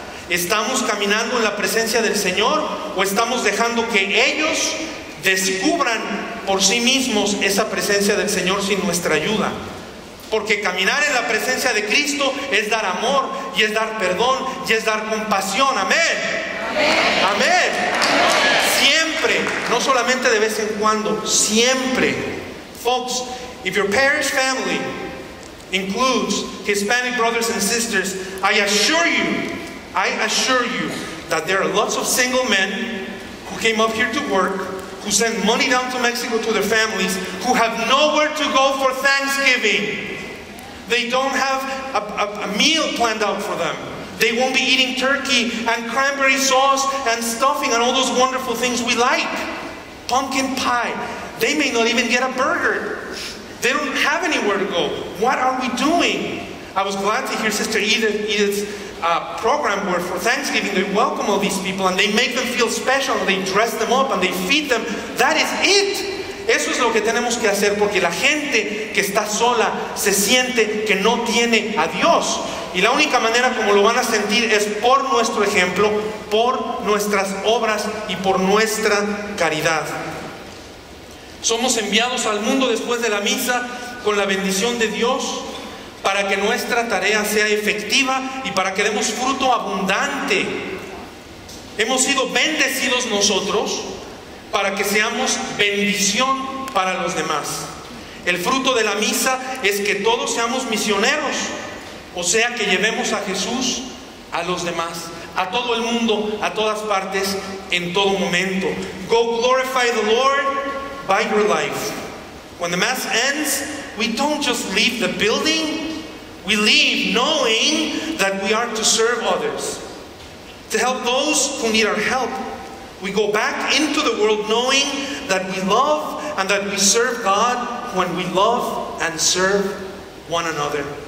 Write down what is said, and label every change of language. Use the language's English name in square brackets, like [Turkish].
[Spanish] ¿Estamos caminando en la presencia del Señor o estamos dejando que ellos descubran por sí mismos esa presencia del Señor sin nuestra ayuda? Porque caminar en la presencia de Cristo es dar amor y es dar perdón y es dar compasión. ¡Amén! ¡Amén! ¡Amén! Siempre, no solamente de vez en cuando, siempre. [English] Folks, if your parish family includes Hispanic brothers and sisters, I assure you that there are lots of single men who came up here to work, who send money down to Mexico to their families, who have nowhere to go for Thanksgiving. They don't have a meal planned out for them. They won't be eating turkey and cranberry sauce and stuffing and all those wonderful things we like. Pumpkin pie. They may not even get a burger. They don't have anywhere to go. What are we doing? I was glad to hear Sister Edith's program where for Thanksgiving they welcome all these people and they make them feel special. They dress them up and they feed them. That is it. [Spanish] Eso es lo que tenemos que hacer, porque la gente que está sola se siente que no tiene a Dios. Y la única manera como lo van a sentir es por nuestro ejemplo, por nuestras obras y por nuestra caridad. Somos enviados al mundo después de la misa con la bendición de Dios para que nuestra tarea sea efectiva y para que demos fruto abundante. Hemos sido bendecidos nosotros para que seamos bendición para los demás. El fruto de la misa es que todos seamos misioneros, o sea que llevemos a Jesús a los demás, a todo el mundo, a todas partes, en todo momento. [English] Go glorify the Lord by your life. When the Mass ends, we don't just leave the building, we leave knowing that we are to serve others, to help those who need our help. We go back into the world knowing that we love and that we serve God when we love and serve one another.